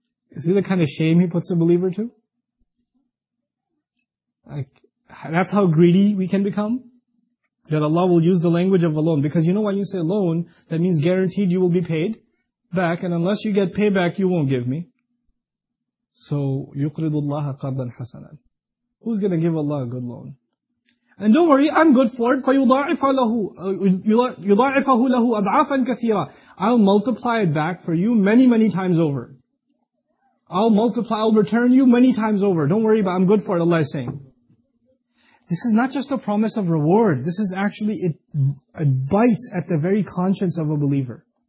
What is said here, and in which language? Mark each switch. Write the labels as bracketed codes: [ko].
[en] Is this the kind of shame He puts a believer to? Like, that's how greedy we can become? That Allah will use the language of a loan. Because you know when you say loan, that means guaranteed you will be paid back. And unless you get payback, you won't give me. So, [ar] يُقْرِضُ اللَّهَ قَرْضًا حَسَنًا. [en] Who's going to give Allah a good loan? And don't worry, I'm good for it. [ar] فَيُضَاعِفَهُ لَهُ أَضْعَافًا كَثِيرًا. [en] I'll multiply it back for you many, many times over. I'll return you many times over. Don't worry about it, I'm good for it, Allah is saying. This is not just a promise of reward. This is actually, it bites at the very conscience of a believer.